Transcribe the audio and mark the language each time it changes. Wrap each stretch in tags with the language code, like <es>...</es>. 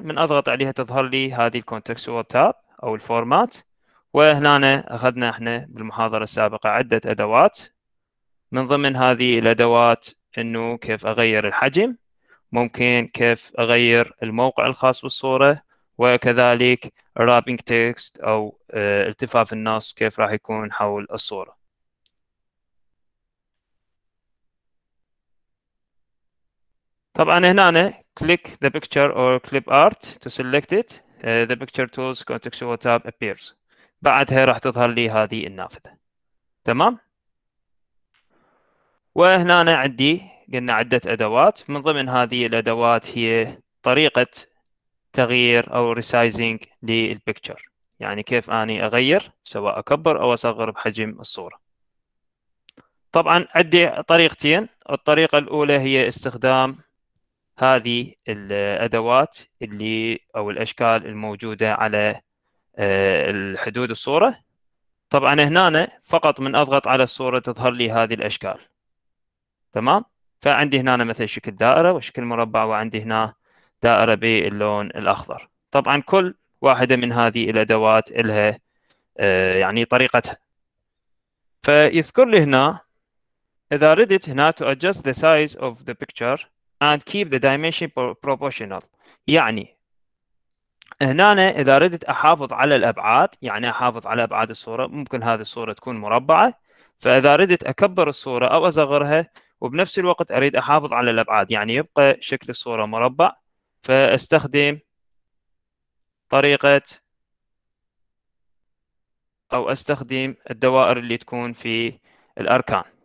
<ar>من اضغط عليها تظهر لي هذه الكونتكستوال تاب او الفورمات، وهنا اخذنا احنا بالمحاضره السابقه عده ادوات، من ضمن هذه الادوات انه كيف اغير الحجم، ممكن كيف اغير الموقع الخاص بالصوره، وكذلك رابينج تكست او التفاف النص كيف راح يكون حول الصوره. طبعا هنا</ar> <en>click the picture or clip art to select it. The picture tools contextual tab appears.</en> <ar>بعدها راح تظهر لي هذه النافذة. تمام؟ وهنا أنا عندي قلنا عدة أدوات، من ضمن هذه الأدوات هي طريقة تغيير أو resizing للبكتشر، يعني كيف أني أغير سواء أكبر أو أصغر بحجم الصورة. طبعا عندي طريقتين، الطريقة الأولى هي استخدام هذه الأدوات اللي أو الأشكال الموجودة على الحدود الصورة. طبعا هنا فقط من أضغط على الصورة تظهر لي هذه الأشكال. تمام؟ فعندي هنا مثلا شكل دائرة وشكل مربع، وعندي هنا دائرة باللون الأخضر. طبعا كل واحدة من هذه الأدوات لها يعني طريقتها. فيذكر لي هنا: إذا ردت هنا</ar> <en>to adjust the size of the picture and keep the dimension proportional.</en> <ar>يعني هنا إذا ردت أحافظ على الأبعاد، يعني أحافظ على أبعاد الصورة، ممكن هذه الصورة تكون مربعة، فإذا ردت أكبر الصورة أو أصغرها وبنفس الوقت أريد أحافظ على الأبعاد، يعني يبقى شكل الصورة مربع، فأستخدم طريقة أو أستخدم الدوائر اللي تكون في الأركان.</ar>